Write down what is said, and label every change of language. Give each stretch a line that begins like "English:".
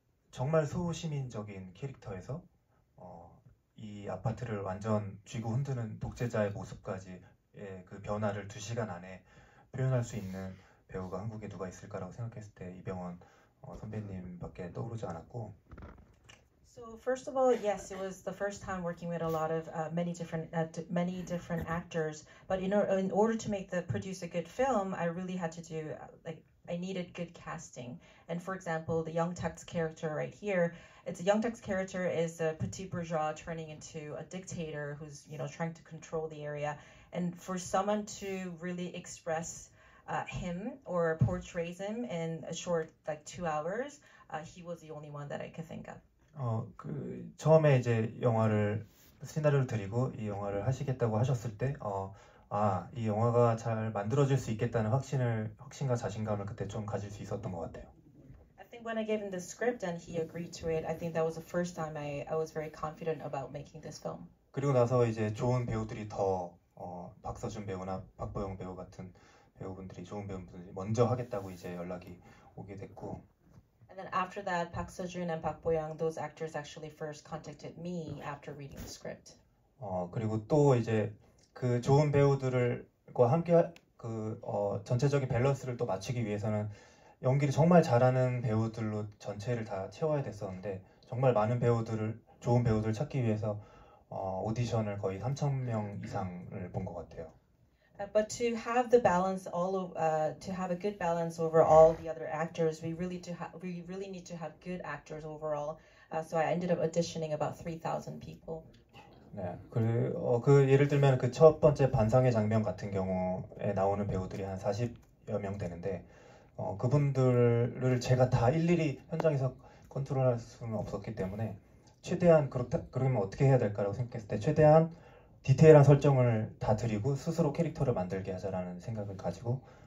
Korean: 정말 소시민적인 캐릭터에서 이 아파트를 완전 쥐고 흔드는 독재자의 모습까지의 그 변화를 두 시간 안에 표현할 수 있는 배우가 한국에 누가 있을까라고 생각했을 때 이병헌 선배님밖에 떠오르지 않았고.
English: So first of all, yes, it was the first time working with a lot of many different actors. But in order to make produce a good film, I really had to do I needed good casting. And for example, the Young-tak's character right here, it's Young-tak's character is a petit bourgeois turning into a dictator who's, you know, trying to control the area. And for someone to really express him or portrays him in a short 2 hours, he was the only one that I could think of.
Korean: 그 처음에 이제 영화를 시나리오를 드리고 이 영화를 하시겠다고 하셨을 때 이 영화가 잘 만들어질 수 있겠다는 확신과 자신감을 그때 좀 가질 수 있었던 것 같아요.
English: I think when I gave him the script and he agreed to it, I think that was the first time I was very confident about making this film.
Korean: 그리고 나서 이제 좋은 배우들이 더 박서준 배우나 박보영 배우 같은 배우분들이 좋은 배우분들이 먼저 하겠다고 이제 연락이 오게 됐고.
English: And then after that, Park Seo-joon and Park Bo-young, those actors actually first contacted me after reading the script.
Korean: 그리고 또 이제 그 좋은 배우들을 그와 함께 전체적인 밸런스를 또 맞추기 위해서는 연기를 정말 잘하는 배우들로 전체를 다 채워야 됐었는데, 정말 많은 배우들을 좋은 배우들을 찾기 위해서 오디션을 거의 3,000명 이상을 본것 같아요.
English: But to have the balance all of to have a good balance over all the other actors, we really need to have good actors overall. So I ended up auditioning about 3,000 people.
Korean: 네, 예를 들면 그첫 번째 반상회 장면 같은 경우에 나오는 배우들이 한 40여 명 되는데, 그분들을 제가 다 일일이 현장에서 컨트롤할 수는 없었기 때문에, 최대한 그러면 어떻게 해야 될까라고 생각했을 때 최대한 디테일한 설정을 다 드리고 스스로 캐릭터를 만들게 하자라는 생각을 가지고